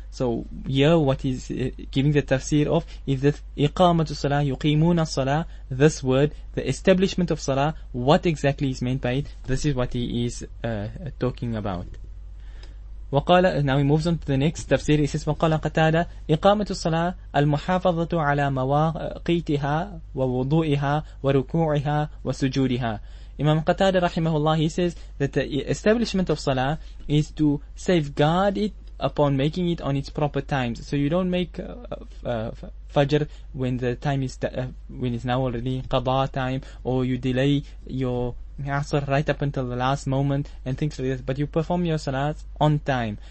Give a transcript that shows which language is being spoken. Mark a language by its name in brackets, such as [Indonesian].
[English] So here what is giving the tafsir of is that iqamatu salah, yuqimuna salah, this word, the establishment of salah, what exactly is meant by it, this is what he is talking about. وقال, now he moves on to the next tafsir. He says, [Arabic] وقال قتادة إقامة الصلاة المحافظة على مواقيتها ووضوئها وركوعها وسجودها. [English] Imam Qatadah رحمه الله, he says that the establishment of salah is to safeguard it upon making it on its proper times. So you don't make fajr when the time is when it's now already qada time, or you delay your asr right up until the last moment and things like this, but you perform your salat on time.